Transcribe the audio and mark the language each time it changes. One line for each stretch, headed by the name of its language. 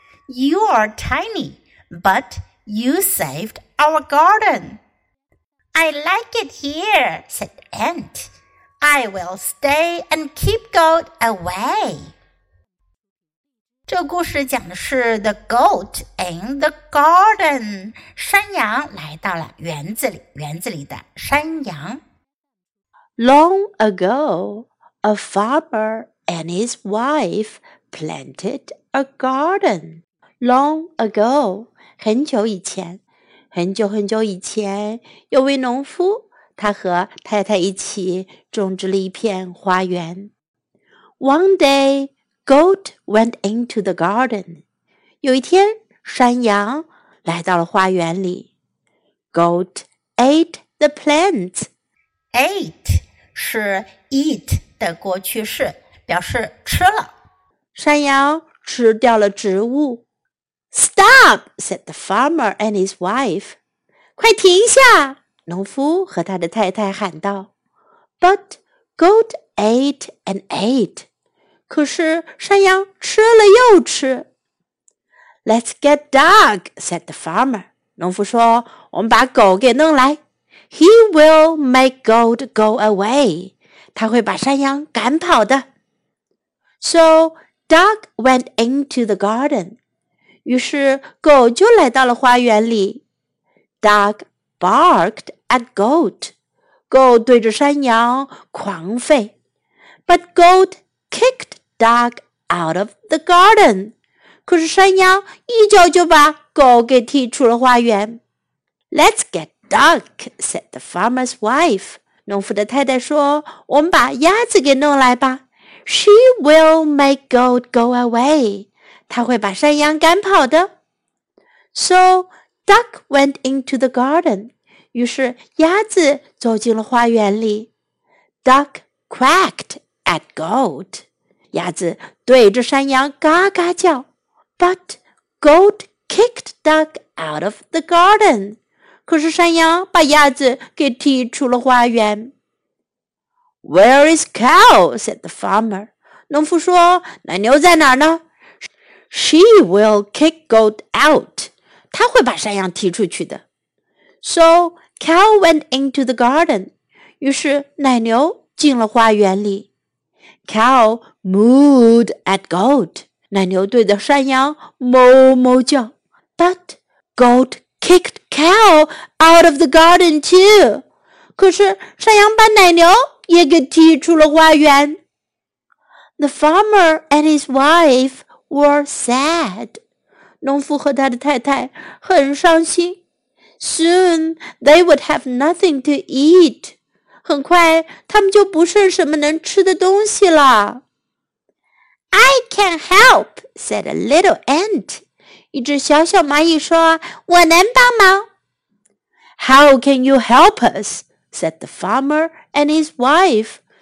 English: You are tiny, but you saved our garden. I like it here, said ant. I will stay and keep goat away.
Chinese: 这个故事讲的是 The Goat in the Garden. 山羊来到了园子里，园子里的山羊。
English: Long ago, a farmer and his wife planted a garden. Long ago,
Chinese: 很久以前，很久很久以前，有位农夫，他和太太一起种植了一片花园。
English: One day,Goat went into the garden.
Chinese: 有一天，山羊来到了花园里。
English: Goat ate the plants.
Chinese: Ate 是 eat 的过去式，表示吃了。山羊吃掉了植物。
English: Stop, said the farmer and his wife.
Chinese: 快停下，农夫和他的太太喊道。
English: But goat ate and ate.
Chinese: 可是山羊吃了又吃。
English: Let's get dog, said the farmer.
Chinese: 农夫说，我们把狗给弄来。
English: He will make goat go away.
Chinese: 他会把山羊赶跑的。
English: So dog went into the garden.
Chinese: 于是狗就来到了花园里。
English: Dog barked at goat.
Chinese: 狗对着山羊狂吠。
English: But goat kicked dog out of the garden.
Chinese: 可是山羊一脚就把狗给踢出了花园。
English: Let's get duck, said the farmer's wife.
Chinese: 农夫的太太说，我们把鸭子给弄来吧。
English: She will make goat go away.
Chinese: 她会把山羊赶跑的。
English: So duck went into the garden.
Chinese: 于是鸭子走进了花园里。
English: Duck quacked at goat.
Chinese: 鸭子对着山羊嘎嘎叫。
English: But goat kicked duck out of the garden.
Chinese: 可是山羊把鸭子给踢出了花园。
English: Where is cow? Said the farmer.
Chinese: 农夫说，奶牛在哪儿呢？
English: She will kick goat out.
Chinese: 她会把山羊踢出去的。
English: So cow went into the garden.
Chinese: 于是奶牛进了花园里。
English: Cow mooed at goat.
Chinese: 奶牛对着山羊哞哞叫。But
English: Goat kicked cow out of the garden too.
Chinese: 可是山羊把奶牛也给踢出了花园。
English: The farmer and his wife were sad.
Chinese: 农夫和他的太太很伤心。
English: Soon they would have nothing to eat.
Chinese: 很快他们就不剩什么能吃的东西了。
English: I can help, said a little ant.
Chinese: 一只小小蚂蚁说，我能帮忙。
English: How can you help us? Said the farmer and his wife.